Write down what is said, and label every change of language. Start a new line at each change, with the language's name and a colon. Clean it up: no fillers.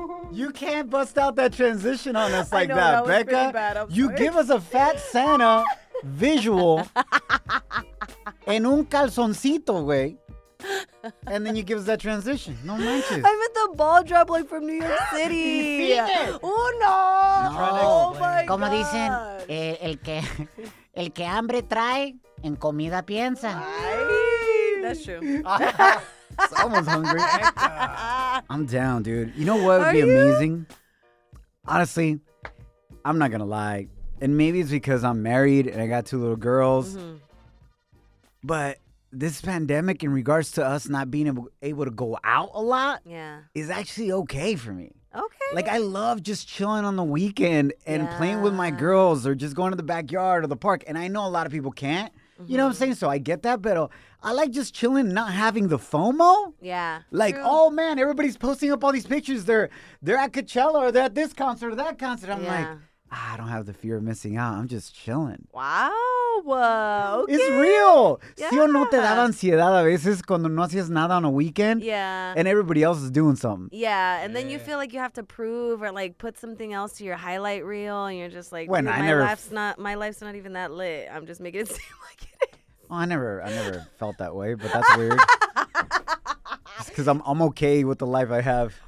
English: You can't bust out that transition on us like that, Becca. I'm sorry. Give us a fat Santa visual
Spanish: en un calzoncito, güey.
English: And then you give us that transition.
Spanish: No manches.
English: I'm at the ball drop, like from New York City.
Spanish: Uno. Como dicen, el que hambre trae, en comida piensa.
English: That's true. Someone's hungry. I'm down, dude. You know what would be amazing? Honestly, I'm not going to lie. And maybe it's because I'm married and I got two little girls. But this pandemic, in regards to us not being able to go out a lot, is actually okay for me. Okay. Like, I love just chilling on the weekend and playing with my girls or just going to the backyard or the park. And I know a lot of people can't. You know what I'm saying? So I get that, but I like just chilling, not having the FOMO. Yeah. Like, oh man, everybody's posting up all these pictures. They're at Coachella or they're at this concert or that concert. I'm like, I don't have the fear of missing out. I'm just chilling. Wow. Okay. It's real.
Spanish: ¿Sí o no te daba ansiedad a veces cuando no hacías nada
English: on a weekend? Yeah. And everybody else is doing something. Yeah. And then you feel like you have to prove or like put something else to your highlight reel. And you're just like, my life's not even that lit. I'm just making it seem like it is. Well, I never felt that way, but that's weird. Just because I'm okay with the life I have.